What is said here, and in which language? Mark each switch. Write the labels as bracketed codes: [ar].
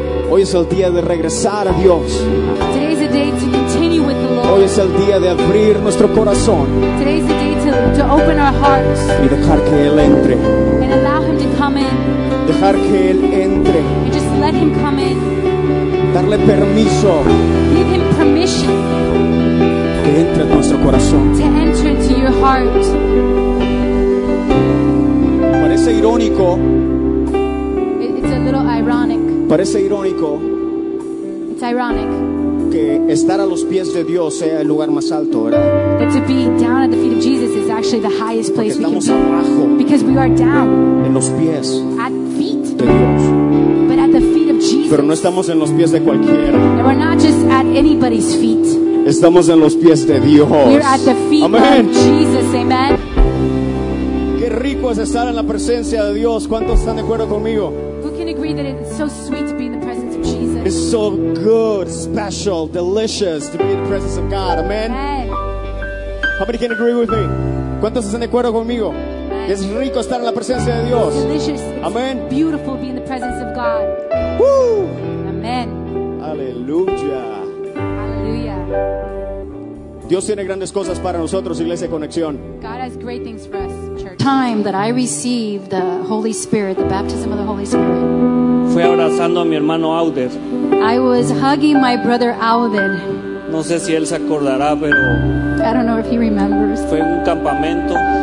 [es] Hoy es el día de regresar a Dios. [en] Today is the day to continue with the Lord. [es] Hoy es el día de abrir nuestro corazón. [en] Today is the day to open our hearts. [es] Y dejar que Él entre. [en] And allow Him to come in. [es] Dejar que Él entre. [en] And just let Him come in. [es] Darle permiso. [en] Give Him permission. [es] Que entre en nuestro corazón. [en] To enter into your heart. [es] Parece irónico. [en] It's a little ironic. [es] Parece irónico. [en] It's ironic. [es] Que estar a los pies de Dios sea el lugar más alto, ¿verdad? [en] That to be down at the feet of Jesus is actually the highest place we can be. [es] Estamos abajo. [en] Because we are down. [es] En los pies. [en] At feet. [es] De Dios. [en] But at the feet of Jesus. [es] Pero no estamos en los pies de cualquiera. [en] And we're not just at anybody's feet. [es] Estamos en los pies de Dios. [en] We're at the feet Amen. Of Jesus. Amen. [es] Qué rico es estar en la presencia de Dios. ¿Cuántos están de acuerdo conmigo? [en] Who can agree that it's so sweet to be in the presence of Jesus? It's so good, special, delicious to be in the presence of God. Amen. Amen. How many can agree with me? [es] ¿Cuántos están de acuerdo conmigo? [en] Amen. [es] Es rico estar en la presencia de Dios. [en] It's delicious. It's Amen. Beautiful to be in the presence of God. Woo! Amen. [es] Aleluya. Aleluya. Dios tiene grandes cosas para nosotros, Iglesia Conexión. [en] God has great things for us, church. Time that I received the Holy Spirit, the baptism of the Holy Spirit. [es] Fui abrazando a mi hermano Auden. [en] I was hugging my brother Auden. [es] No sé si él se acordará, pero. [en] I don't know if he remembers. [es] Fue en un campamento.